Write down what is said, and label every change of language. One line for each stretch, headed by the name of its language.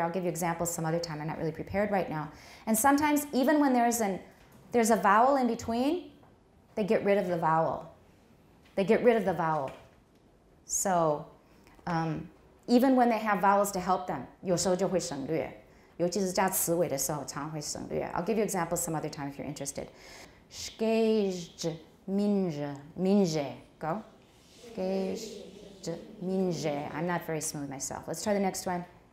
English: I'll give you examples some other time. I'm not really prepared right now. And sometimes even when there's a vowel in between, they get rid of the vowel. They get rid of the vowel. So even when they have vowels to help them,
Chinese: 有时候就会省略. 尤其是加词尾的时候常会省略.
English: I'll give you examples some other time if you're interested. Skej, minje, minje. Go. Skej, minje. I'm not very smooth myself. Let's try the next one.